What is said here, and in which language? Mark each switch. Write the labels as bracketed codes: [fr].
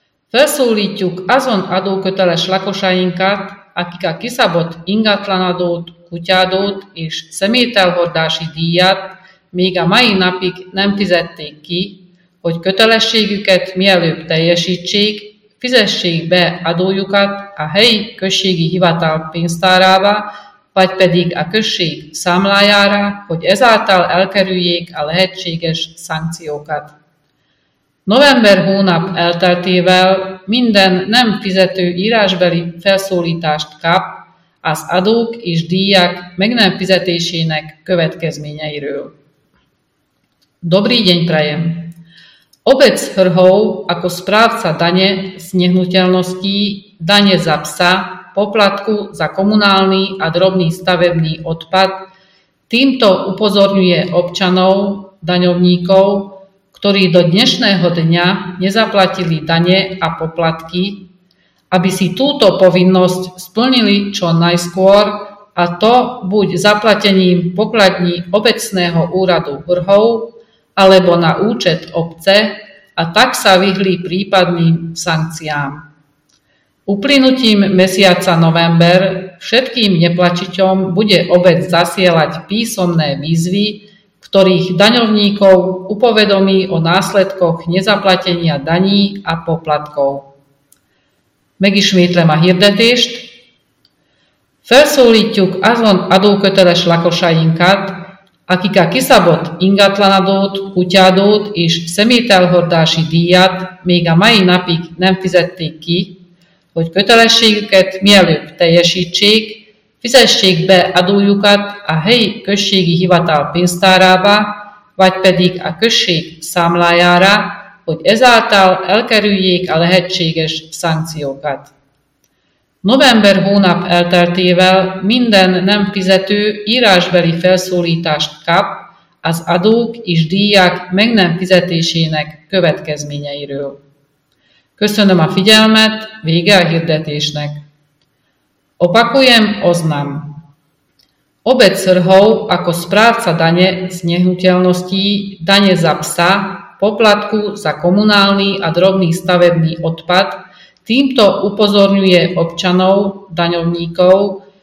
[hu] Felszólítjuk azon adóköteles lakosainkat, akik a kiszabott ingatlanadót, kutyádót és szemételhordási díjat még a mai napig nem fizették ki, hogy kötelességüket mielőbb teljesítsék, fizessék be adójukat a helyi községi hivatal pénztárába, vagy pedig a község számlájára, hogy ezáltal elkerüljék a lehetséges szankciókat. November hónap elteltével minden nem fizető írásbeli felszólítást kap az adók és díjak meg nem fizetésének következményeiről. [sk] Dobrý deň prajem! Obec Hrhov ako správca dane z nehnuteľností, dane za psa, poplatku za komunálny a drobný stavebný odpad týmto upozorňuje občanov, daňovníkov, ktorí do dnešného dňa nezaplatili dane a poplatky, aby si túto povinnosť splnili čo najskôr, a to buď zaplatením pokladní obecného úradu Hrhov alebo na účet obce, a tak sa vyhli prípadným sankciám. Uplynutím mesiaca november všetkým neplatičom bude obec zasielať písomné výzvy, ktorých daňovníkov upovedomí o následkoch nezaplatenia daní a poplatkov. [hu] Megismétlem a hirdetést. Felszólítjuk azon adóköteles lakosainkat, akik a kiszabott ingatlanadót, kutyádót és szemételhordási díjat még a mai napig nem fizették ki, hogy kötelességüket mielőbb teljesítsék, fizessék be adójukat a helyi községi hivatal pénztárába, vagy pedig a község számlájára, hogy ezáltal elkerüljék a lehetséges szankciókat. November hónap elteltével minden nem fizető írásbeli felszólítást kap az adók és díjak meg nem fizetésének következményeiről. Köszönöm a figyelmet, vége a hirdetésnek. [sk] Opakujem oznam. Obec Hrhov ako správca dane z nehnuteľností, dane za psa, poplatku za komunálny a drobný stavebný odpad týmto upozorňuje občanov, daňovníkov,